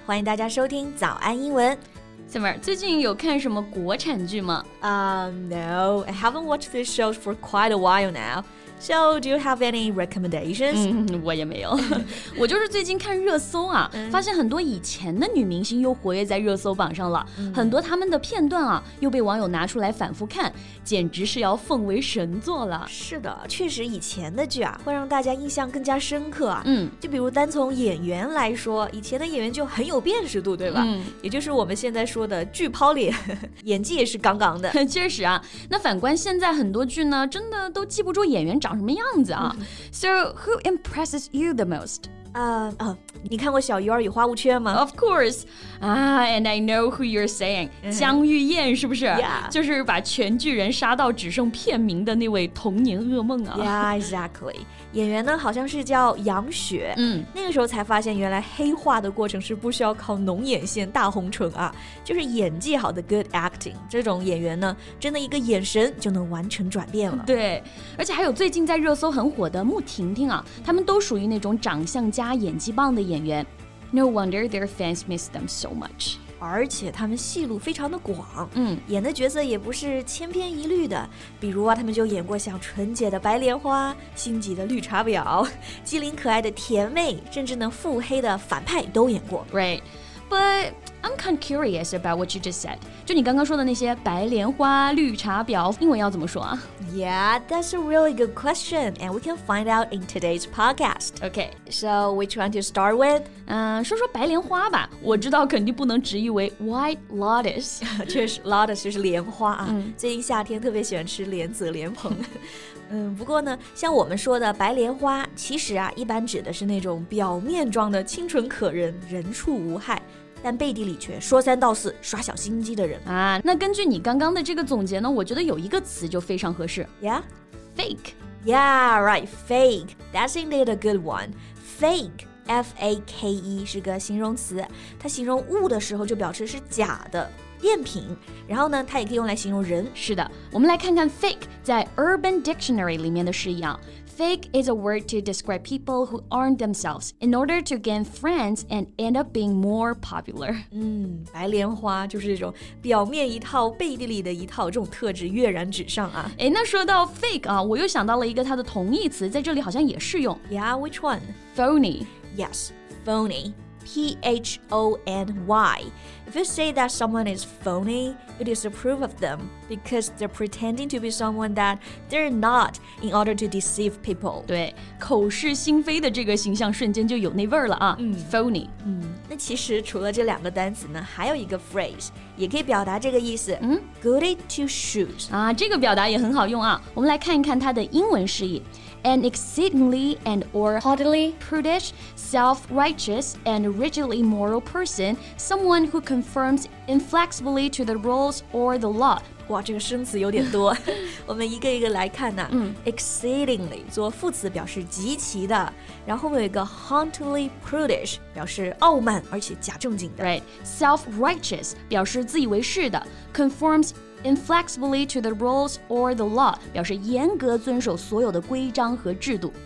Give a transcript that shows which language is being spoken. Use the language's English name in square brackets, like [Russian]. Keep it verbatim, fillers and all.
[Chinese] 欢迎大家收听早安英文。 Summer, 最近有看什么国产剧吗？ [English] Uh, no, I haven't watched these shows for quite a while now. So, do you have any recommendations? [Chinese] 嗯，我也没有。我就是最近看热搜啊，发现很多以前的女明星又活跃在热搜榜上了，很多她们的片段啊，又被网友拿出来反复看，简直是要奉为神作了。是的，确实以前的剧啊，会让大家印象更加深刻啊。嗯，就比如单从演员来说，以前的演员就很有辨识度，对吧？嗯，也就是我们现在说的剧抛脸，演技也是杠杠的。确实啊，那反观现在很多剧呢，真的都记不住演员长什么样子啊。 [English] So, who impresses you the most? [Chinese] 呃呃，你看过《小鱼儿与花无缺》吗 [English] ？Of course. Ah, and I know who you're saying. [Chinese] 江玉燕是不是？ [English] Yeah. [Chinese] 就是把全剧人杀到只剩片名的那位童年噩梦啊。 [English] Yeah, exactly. [Chinese] 演员呢，好像是叫杨雪。嗯，那个时候才发现，原来黑化的过程是不需要靠浓眼线、大红唇啊，就是演技好的 [English] good acting。 [Chinese] 这种演员呢，真的一个眼神就能完成转变了。对，而且还有最近在热搜很火的穆婷婷啊，他们都属于那种长相加演技棒的演员 [English] No wonder their fans miss them so much [Chinese] 而且他们戏路非常的广、嗯、演的角色也不是千篇一律的比如啊他们就演过像纯洁的白莲花心急的绿茶婊机灵可爱的甜妹甚至呢腹黑的反派都演过 [English] Right But I'm kind of curious about what you just said [Chinese] 就你刚刚说的那些白莲花绿茶婊英文要怎么说啊 [English] Yeah, that's a really good question, and we can find out in today's podcast. Okay, so which one to start with? [Chinese] 嗯，说说白莲花吧。我知道肯定不能直译为 [English] white lotus. [Chinese] 确实 ，lotus 就是莲花啊。最近夏天特别喜欢吃莲子、莲蓬。嗯，不过呢，像我们说的白莲花，其实啊，一般指的是那种表面装的清纯可人、人畜无害。但背地里却说三道四耍小心机的人啊那根据你刚刚的这个总结呢我觉得有一个词就非常合适 [English] Yeah? Fake Yeah, right, fake That's indeed a good one Fake, F A K E 是个形容词它形容物的时候就表示是假的赝品然后呢它也可以用来形容人 [Chinese] 是的我们来看看 fake 在 Urban Dictionary 里面的释义啊 [English] Fake is a word to describe people who aren't themselves in order to gain friends and end up being more popular. [Chinese] 嗯，白莲花就是这种表面一套，背地里的一套，这种特质跃然纸上啊。哎，那说到 fake 啊，我又想到了一个它的同义词，在这里好像也适用。 [English] Yeah, which one? Phony. Yes, phony. P H O N Y. If you say that someone is phony, you disapprove of them because they're pretending to be someone that they're not in order to deceive people. [Chinese] 对，口是心非的这个形象瞬间就有那味儿了啊。嗯 [English] phony。 [Chinese] 嗯，那其实除了这两个单词呢，还有一个 phrase 也可以表达这个意思。嗯 [English] ，goody two shoes [Chinese] 啊，这个表达也很好用啊。我们来看一看它的英文释义。 [English] An exceedingly and or haughtily prudish, self-righteous, and rigidly moral person, someone who conforms inflexibly to the rules or the law. [Chinese] 哇，这个生词有点多，我们一个一个来看呐、啊。嗯，exceedingly 做副词表示极其的，然后后面有一个 haughtily prudish 表示傲慢而且假正经的。 [English] Right, self-righteous [Chinese] 表示自以为是的 [English] ，conforms. Inflexibly to the rules or the law [Chinese] 表示严格遵守所有的规章和制度